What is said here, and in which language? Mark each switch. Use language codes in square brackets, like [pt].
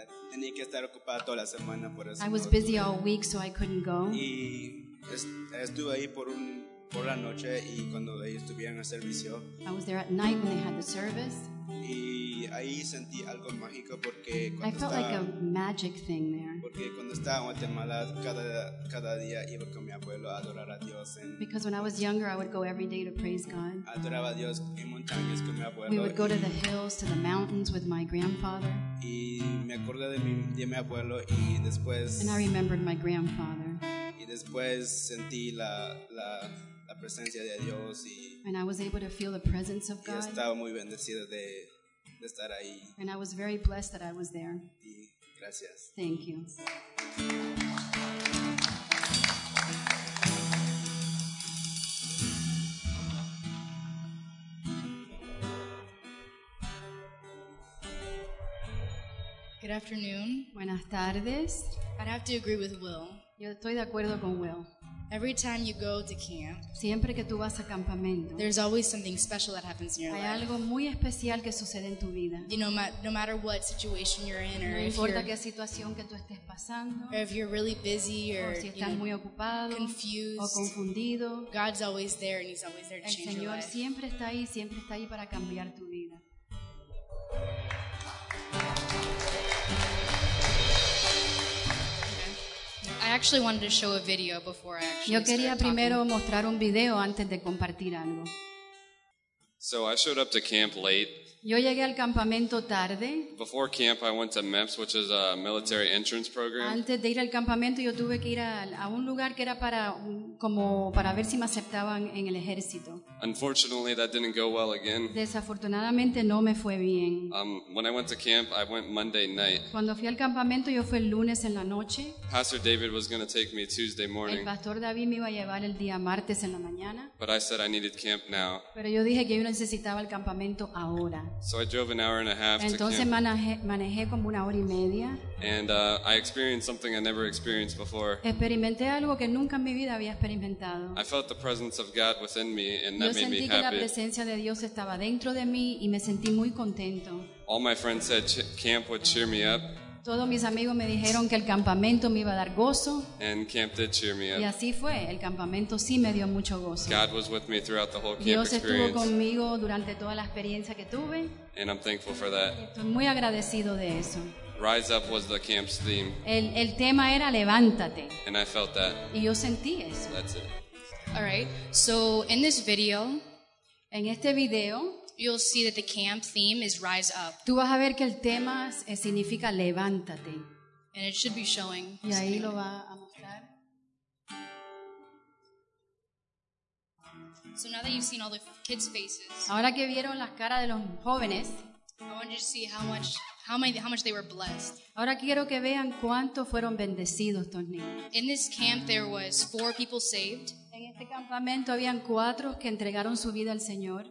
[es] Tenía que estar ocupado toda la semana por eso. [en] I was busy all week so I couldn't go. [es] Y estuve ahí por la noche y cuando ellos estuvieron al servicio. [en] I was there at night when they had the service. [es] Y ahí sentí algo mágico porque cuando [en] I felt [es] estaba, [en] like a magic thing there. [es] Porque cuando estaba en Guatemala cada día iba con mi abuelo a adorar a Dios. [en] Because when I was younger I would go every day to praise God. [es] Adoraba a Dios en montañas con mi abuelo. [en] We would go to the hills, to the mountains with my grandfather. [es] Y me acordé de mi abuelo y después. [en] And I remembered my grandfather. [es] Y después sentí la presencia de Dios y [en] and I was able to feel the presence of God. [es] Y estaba muy bendecido de estar ahí. [en] And I was very blessed that I was there. [es] Y gracias. [en] Thank you. Good afternoon. [es] Buenas tardes. [en] I'd have to agree with Will. [es] Yo estoy de acuerdo con Will. [en] Every time you go to camp, [es] siempre que tú vas a campamento, [en] there's always something special that happens in your [es] hay [en] life. [es] Hay algo muy especial que sucede en tu vida. [en] You know, no matter what situation you're in, or [es] no importa qué situación que tú estés pasando, [en] or if you're really busy or [es] si estás muy ocupado, [en] confused [es] o confundido, [en] God's always there and He's always there to change [es] Señor [en] your life. [es] El Señor siempre está ahí para cambiar tu vida. [en] I actually wanted to show a video before I actually [es] yo quería [en] started [es] primero [en] talking. [es] Mostrar un video antes de compartir algo. [en] So I showed up to camp late. [es] Yo llegué al campamento tarde. [en] Before camp I went to MEPS, which is a military entrance program. [es] Antes de ir al campamento yo tuve que ir a un lugar que era para como para ver si me aceptaban en el ejército. [en] Unfortunately that didn't go well again. [es] Desafortunadamente no me fue bien. [en] When I went to camp I went Monday night. [es] Cuando fui al campamento yo fui el lunes en la noche. [en] Pastor David was going to take me Tuesday morning. [es] El pastor David me iba a llevar el día martes en la mañana. [en] But I said I needed camp now. [es] Pero yo dije que yo necesitaba el campamento ahora. [en] So I drove an hour and a half [es] Entonces [en] to camp. [es] Manejé como una hora y media. [en] And I experienced something I never experienced before. [es] Experimenté algo que nunca en mi vida había experimentado. [en] I felt the presence of God within me, and that [es] Yo sentí [en] made me [es] que [en] happy. [es] La presencia de Dios estaba dentro de mí y me sentí muy contento. [en] All my friends said camp would cheer me up. [es] Todos mis amigos me dijeron que el campamento me iba a dar gozo. [en] And camp did cheer me up. [es] Y así fue, el campamento sí me dio mucho gozo. [en] God was with me throughout the whole camp [es] Dios estuvo [en] experience. [es] Conmigo durante toda la experiencia que tuve. [en] And I'm thankful for that. [es] Estoy muy agradecido de eso. [en] Rise up was the camp's theme. [es] El tema era levántate. [en] And I felt that. [es] Y yo sentí eso. [en] That's it. All right. So in this video, [es] en este video, [en] you'll see that the camp theme is rise up. [es] Tú vas a ver que el tema significa levántate. [en] And it should be showing. [es] Y ahí lo va a mostrar. [en] So now that you've seen all the kids' faces. [es] Ahora que vieron las caras de los jóvenes. [en] I want you to see how much they were blessed. [es] Ahora quiero que vean cuánto fueron bendecidos estos niños. [en] In this camp there was four people saved. [es] En este campamento habían cuatro que entregaron su vida al Señor.